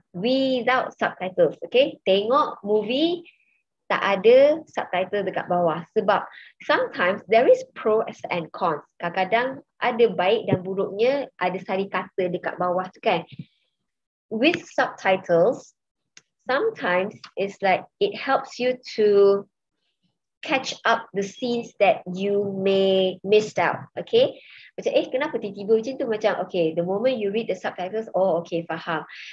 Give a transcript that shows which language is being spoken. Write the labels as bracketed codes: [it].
[en] Without subtitles, okay? [ms] Tengok movie, tak ada subtitle dekat bawah. Sebab [en] sometimes there is pros and cons. [ms] Kadang-kadang ada baik dan buruknya, ada sari kata dekat bawah tu kan. [en] With subtitles, sometimes it's like it helps you to catch up the scenes that you may missed out, okay? [ms] Macam kenapa tiba-tiba macam tu? Macam [en] okay, the moment you read the subtitles, oh okay, [ms] faham.